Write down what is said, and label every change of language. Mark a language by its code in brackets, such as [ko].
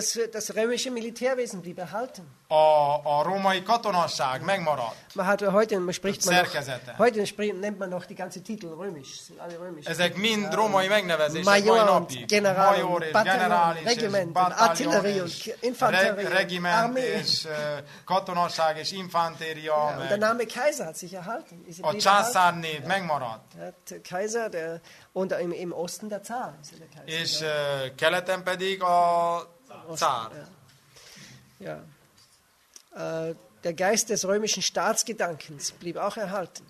[de] Das römische Militärwesen blieb erhalten. [hu] A római katonasság megmaradt. [de] Nennt man noch die ganze Titel römisch, sind alle römisch. [hu] Ezek mind római megnevezések mai napig. [de] Major, General, Bataillon, Regiment, Artillerie und Infanterie. [hu] Regiment és katonasság és infantéria. [de] Ja, der Name Kaiser hat sich erhalten. [hu] A császárnév megmaradt. [de] Kaiser der und im Osten der Zar. [hu] És keleten pedig a Zár. [de] Ja. Der Geist des römischen Staatsgedankens blieb auch erhalten.